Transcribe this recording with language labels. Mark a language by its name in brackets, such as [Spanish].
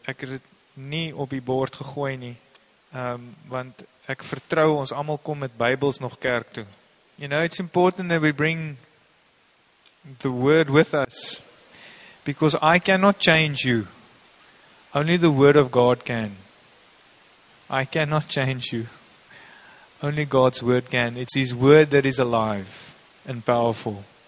[Afrikaans] Ek het dit nie op die bord gegooi nie. Want ek vertrou ons allemaal kom met Bybels nog kerk toe. [English] You know, it's important that we bring the word with us. Because I cannot change you. Only the word of God can. I cannot change you. Only God's word can. It's his word that is alive and powerful.